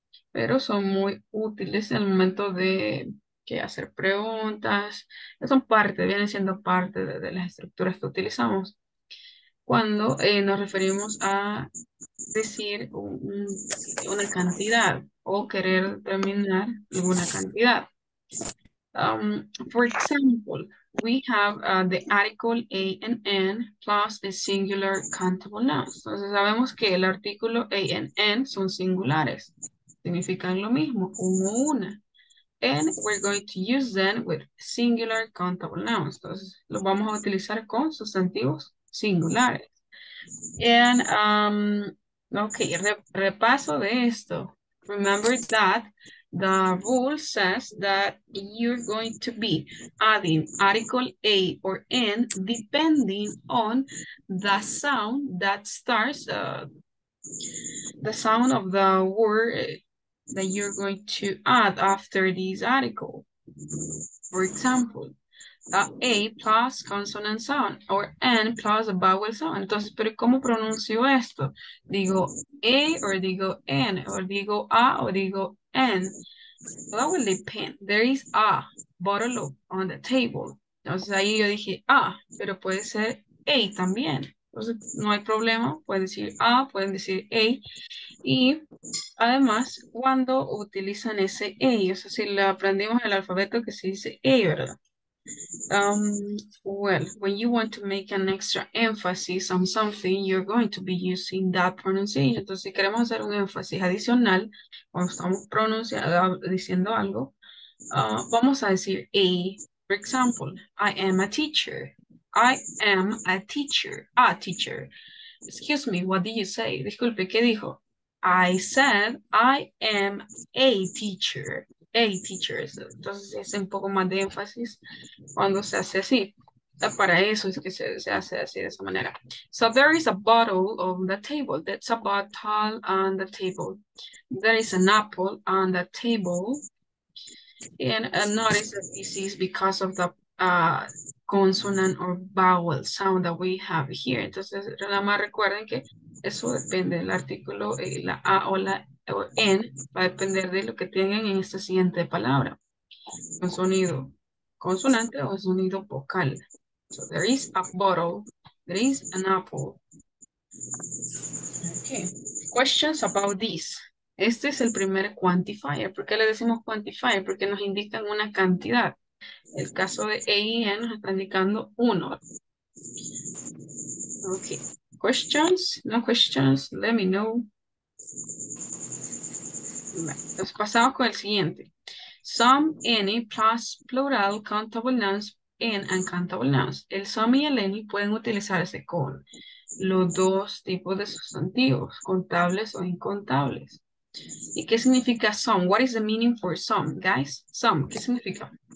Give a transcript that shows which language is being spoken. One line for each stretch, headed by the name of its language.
Spanish: Pero son muy útiles en el momento de que hacer preguntas. Son parte, vienen siendo parte de las estructuras que utilizamos. Cuando nos referimos a decir una cantidad o querer determinar alguna cantidad.
English: For example, we have the article A and N plus a singular countable noun.
Spanish: Entonces sabemos que el artículo A and N son singulares. Significan lo mismo, uno, una.
English: And we're going to use them with singular countable nouns.
Spanish: Entonces los vamos a utilizar con sustantivos singulares. And, okay, repaso de esto.
English: Remember that the rule says that you're going to be adding article A or N depending on the sound that starts, the sound of the word that you're going to add after this article. For example, A plus consonant sound or N plus a vowel sound.
Spanish: Entonces, ¿pero cómo pronuncio esto? ¿Digo A or digo N? ¿O digo A o digo N?
English: Well, that will depend. There is a bottle on the table.
Spanish: Entonces, ahí yo dije A, pero puede ser A también. Entonces, no hay problema. Pueden decir A, pueden decir A. Y además, cuando utilizan ese A, o sea, si lo aprendimos en el alfabeto que se dice A, ¿verdad?
English: Well, when you want to make an extra emphasis on something, you're going to be using that pronunciation.
Spanish: Entonces, si queremos hacer un énfasis adicional, cuando estamos pronunciando, diciendo algo, vamos a decir A.
English: For example, I am a teacher. I am a teacher. A teacher. Excuse me, what did you say?
Spanish: Disculpe, ¿qué dijo?
English: I said I am a teacher.
Spanish: A teachers. Entonces, es un poco más de énfasis cuando se hace así. Para eso es que se hace así de esa manera.
English: So there is a bottle on the table. That's a bottle on the table. There is an apple on the table. And notice that this is because of the consonant or vowel sound that we have here.
Spanish: Entonces, nada más recuerden que eso depende del artículo, la A o la o N, va a depender de lo que tengan en esta siguiente palabra. Un sonido consonante o sonido vocal.
English: So there is a bottle, there is an apple. Okay, questions about this.
Spanish: Este es el primer quantifier. ¿Por qué le decimos quantifier? Porque nos indican una cantidad. El caso de AEN nos está indicando uno.
English: Okay, questions? No questions? Let me know.
Spanish: Nos pasamos con el siguiente.
English: Some, any, plus, plural, countable nouns, and uncountable nouns.
Spanish: El some y el any pueden utilizarse con los dos tipos de sustantivos, contables o incontables. ¿Y qué significa some?
English: What is the meaning for some, guys?
Spanish: Some, ¿qué significa?